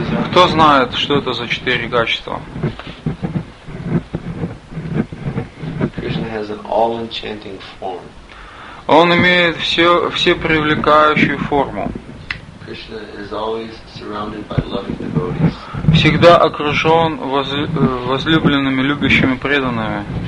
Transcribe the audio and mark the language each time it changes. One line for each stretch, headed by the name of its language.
Russian: Кто знает, что это за 4 качества?
English: Krishna has an all-enchanting form.
Russian: Он имеет все привлекающую форму.
English: Krishna is always surrounded by loving devotees.
Russian: Всегда окружен возлюбленными, любящими, преданными.